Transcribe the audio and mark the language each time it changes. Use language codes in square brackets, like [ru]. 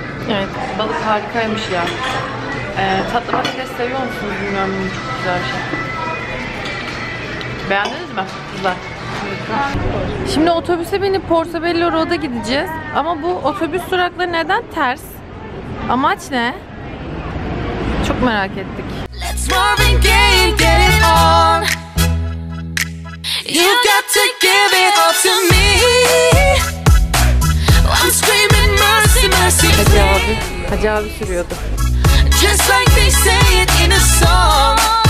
[tr] Evet, balık harikaymış ya. Tatlı patates seviyor musunuz bilmiyorum, çok güzel. Beğendiniz mi? Güzel. Şimdi otobüse binip Portobello Road'a gideceğiz. Ama bu otobüs durakları neden ters? Amaç ne? Çok merak ettik. [en] Let's Marvin Gaye and get it on. You got to give it all to me. I'm screaming mercy, mercy. [tr] Hacı abi, Hacı abi sürüyordu. [en] Just like they say it in a song.